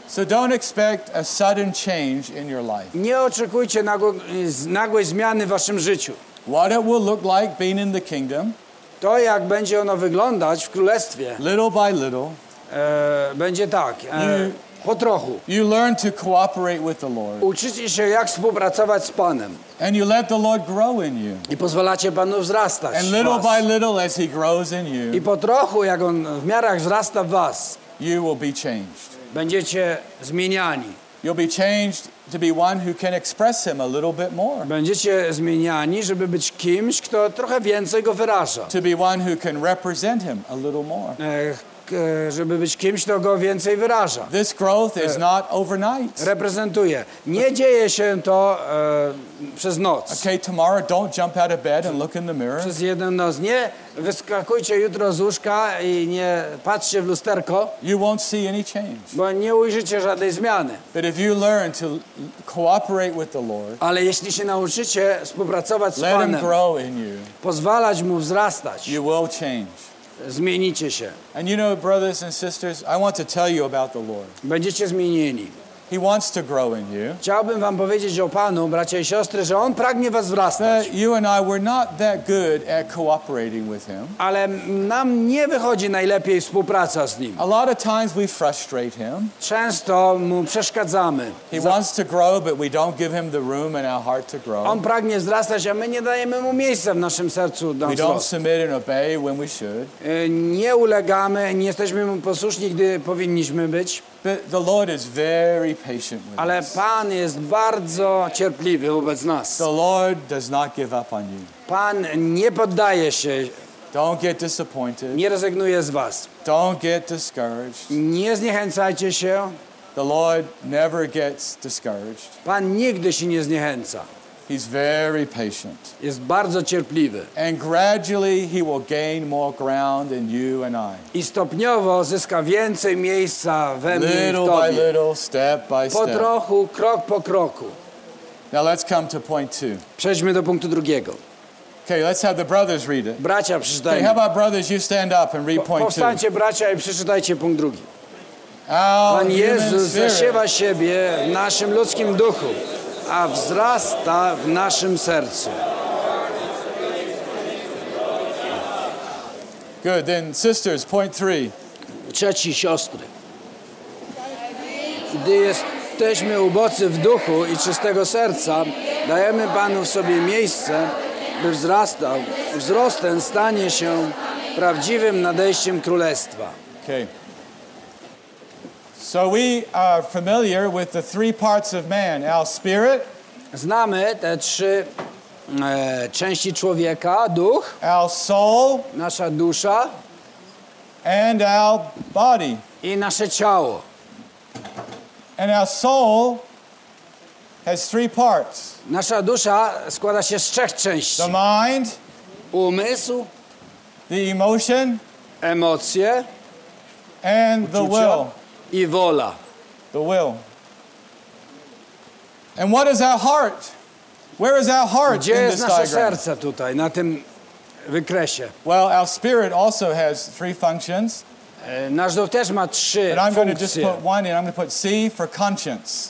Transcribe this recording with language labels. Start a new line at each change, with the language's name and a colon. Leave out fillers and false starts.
English: So don't expect a sudden change in your life.
Polish: Nie oczekujcie nagłej zmiany w waszym życiu.
English: What it will look like being in the kingdom.
Polish: To, jak będzie ono wyglądać w królestwie.
English: Little by little.
Polish: Będzie tak. Po trochu.
English: You learn to cooperate with the Lord.
Polish: Uczycie się, jak współpracować z Panem.
English: And you let the Lord grow in you.
Polish: I pozwalacie Panu wzrastać.
English: And little by little as he grows in you.
Polish: I po trochu, jak on w miarach wzrasta w was.
English: You will be changed.
Polish: Będziecie zmieniani.
English: You'll be changed to be one who can express him a little bit more.
Polish: Będziecie zmieniani, żeby być kimś, kto trochę więcej go wyraża.
English: To be one who can represent him a little more.
Polish: żeby być kimś, to go więcej wyraża.
English: This growth is not overnight.
Polish: Reprezentuje. Nie dzieje się to przez noc.
English: Okay, tomorrow don't jump out of bed and look in the mirror.
Polish: Przez jedną noc. Nie wyskakujcie jutro z łóżka i nie patrzcie w lusterko.
English: You won't see any change.
Polish: Bo nie ujrzycie żadnej zmiany.
English: But if you learn to cooperate with the Lord,
Polish: ale jeśli się nauczycie współpracować z
English: let
Polish: Panem,
English: him grow in you,
Polish: pozwalać Mu wzrastać,
English: you will change.
Polish: Zmienicie się.
English: And you know, brothers and sisters, I want to tell you about the Lord.
Polish: Będziecie zmienieni.
English: He wants to grow in you.
Polish: Chciałbym wam powiedzieć o Panu, bracia i siostry, że On pragnie was wzrastać.
English: But you and I were not that good at cooperating with Him.
Polish: Ale nam nie wychodzi najlepiej współpraca z Nim.
English: A lot of times we frustrate Him.
Polish: Często Mu przeszkadzamy.
English: He wants to grow, but we don't give Him the room in our heart to grow.
Polish: On pragnie wzrastać, a my nie dajemy Mu miejsca w naszym sercu.
English: We don't submit and obey when we should.
Polish: Nie ulegamy, nie jesteśmy Mu posłuszni, gdy powinniśmy być.
English: But the Lord is very patient with us.
Polish: Ale Pan jest bardzo cierpliwy wobec nas.
English: The Lord does not give up on you.
Polish: Pan nie poddaje się.
English: Don't get disappointed.
Polish: Nie rezygnuje z was.
English: Don't get discouraged.
Polish: Nie zniechęcajcie się.
English: The Lord never gets discouraged.
Polish: Pan nigdy się nie zniechęca.
English: He's very patient.
Polish: Jest bardzo cierpliwy.
English: And gradually he will gain more ground in you and I.
Polish: I stopniowo zyska więcej miejsca we mnie i w tobie.
English: Little by little, step by step.
Polish: Po trochu, krok po kroku.
English: Now let's come to point two.
Polish: Przejdźmy do punktu drugiego.
English: Okay, let's have the brothers read it.
Polish: Bracia, przeczytajmy.
English: Okay, how about brothers, you stand up and read point two.
Polish: Powstańcie, bracia, i przeczytajcie punkt drugi.
English: Our
Polish: Pan Jezus zasiewa siebie w naszym ludzkim duchu, a wzrasta w naszym sercu.
English: Good, then sisters, point three.
Polish: Trzeci, siostry. Gdy jesteśmy ubocy w duchu i czystego serca, dajemy Panu w sobie miejsce, by wzrastał. Wzrost ten stanie się prawdziwym nadejściem Królestwa.
English: Okay. So we are familiar with the three parts of man, our spirit,
Polish: znamy te trzy części człowieka, duch,
English: our soul,
Polish: nasza dusza,
English: and our body,
Polish: i nasze ciało.
English: And our soul has three parts.
Polish: Nasza dusza składa się z trzech części.
English: The mind,
Polish: umysł,
English: the emotion,
Polish: emocje,
English: and the will,
Polish: i wola.
English: The will. And what is our heart? Where is our heart
Polish: gdzie
English: in this diagram?
Polish: Gdzie jest nasze serce tutaj, na tym wykresie?
English: Well, our spirit also has three functions.
Polish: Nasz duch też ma trzy funkcje.
English: But I'm going to just put one in. I'm going to put C for conscience.